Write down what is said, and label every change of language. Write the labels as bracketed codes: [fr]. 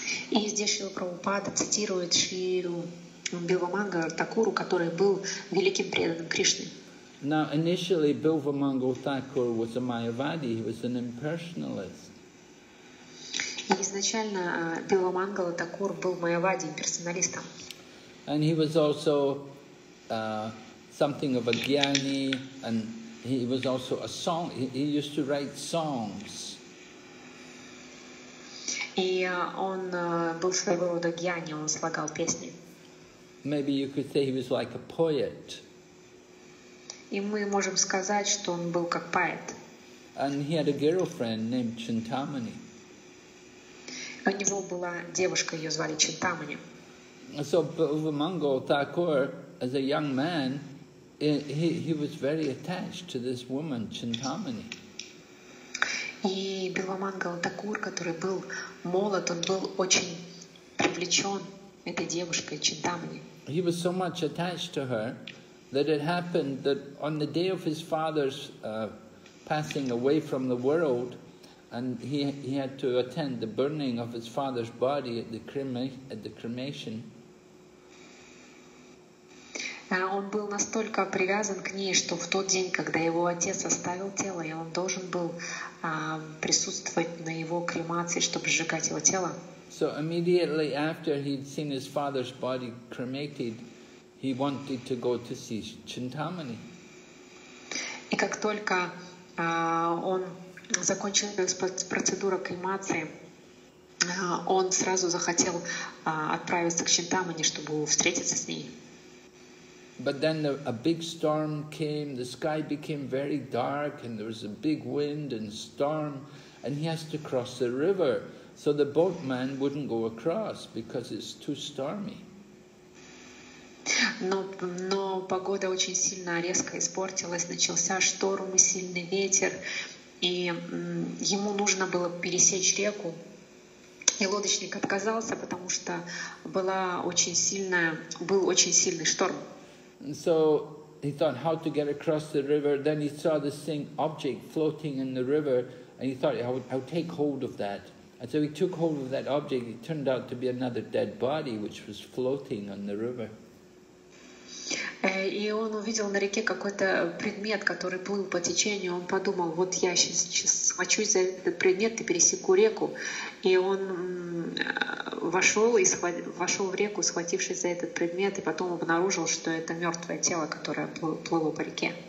[ru] И здесь Шрила Прабхупада цитирует Шрилу Бильвамангал Такуру, который был великим преданным Кришны. [en] Now, initially, Bilvamangal Thakur was a Mayavadi, he was an impersonalist. [ru] Изначально Бильвамангал Такур был Майавади, имперсоналистом. [en] And he was also something of a Gyani, and he was also a song, he used to write songs. [ru] И он был своего рода Гьяни, он слагал песни. [en] Maybe you could say he was like a poet. [ru] И мы можем сказать, что он был как поэт. [en] And he had a girlfriend named Chintamani. [ru] У него была девушка, ее звали Чинтамани. [en] So Bhuvamangal Thakur, as a young man, he was very attached to this woman, Chintamani. [ru] И Бхувамангал Такур, который был молод, он был очень привлечен этой девушкой, Чинтамани. [en] He was so much attached to her that it happened that on the day of his father's passing away from the world, and he had to attend the burning of his father's body at the cremation. [ru] Он был настолько привязан к ней, что в тот день, когда его отец оставил тело, и он должен был присутствовать на его кремации, чтобы сжигать его тело. [en] So immediately after he'd seen his father's body cremated, he wanted to go to see Chintamani. [ru] И как только он закончил процедуру кремации, он сразу захотел отправиться к Чинтамани, чтобы встретиться с ней. [en] But then a big storm came, the sky became very dark, and there was a big wind and storm, and he has to cross the river. So the boatman wouldn't go across because it's too stormy. [ru] Но погода очень сильно резко испортилась, начался шторм и сильный ветер, и ему нужно было пересечь реку. И лодочник отказался, потому что был очень сильный шторм. [en] And so he thought how to get across the river. Then he saw this same object floating in the river, and he thought, I'll take hold of that. And so he took hold of that object. It turned out to be another dead body, which was floating on the river. [ru] И он увидел на реке какой-то предмет, который плыл по течению. Он подумал, вот я сейчас схвачусь за этот предмет и пересеку реку. И он вошел в реку, схватившись за этот предмет, и потом обнаружил, что это мертвое тело, которое плыло по реке.